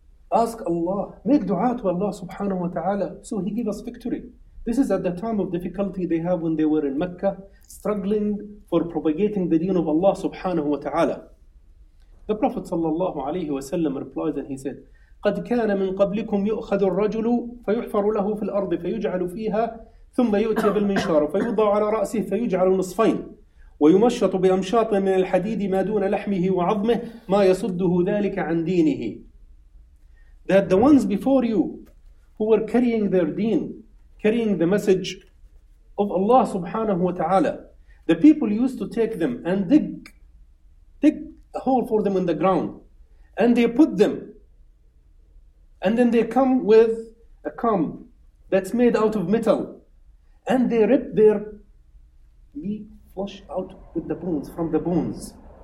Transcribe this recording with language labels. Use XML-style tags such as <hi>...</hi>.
<en>Ask Allah, make dua to Allah subhanahu wa ta'ala, so He give us victory. This is at the time of difficulty they have when they were in Mecca, struggling for propagating the deen of Allah subhanahu wa ta'ala. The Prophet sallallahu alayhi wa sallam replies and he said,</en> <ar>قد كان من قبلكم يؤخذ الرجل فيحفر له في الأرض فيجعل فيها ثم يؤتي بالمنشار فيوضع على رأسه فيجعل نصفين ويمشط بأمشاط من الحديد ما دون لحمه وعظمه ما يصده ذلك عن دينه.</ar> <en>That the ones before you who were carrying their deen, carrying the message of Allah subhanahu wa ta'ala, the people used to take them and dig a hole for them in the ground, and they put them, and then they come with a comb that's made out of metal, and they rip their meat flesh out with the bones, from the bones.</en>